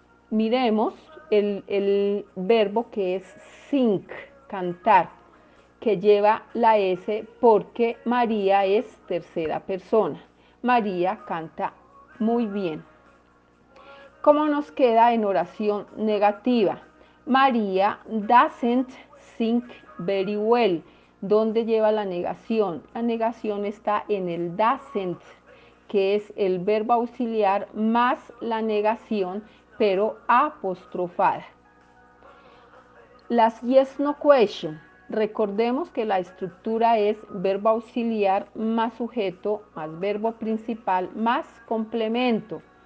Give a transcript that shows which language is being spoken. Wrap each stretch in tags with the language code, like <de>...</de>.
<es>Miremos el verbo que es sing, cantar, que lleva la S porque María es tercera persona. María canta muy bien. ¿Cómo nos queda en oración negativa?</es> <en>María doesn't sing very well.</en> <es>¿Dónde lleva la negación? La negación está en el doesn't, que es el verbo auxiliar más la negación, pero apostrofada. Las yes no question. Recordemos que la estructura es verbo auxiliar más sujeto más verbo principal más complemento.</es>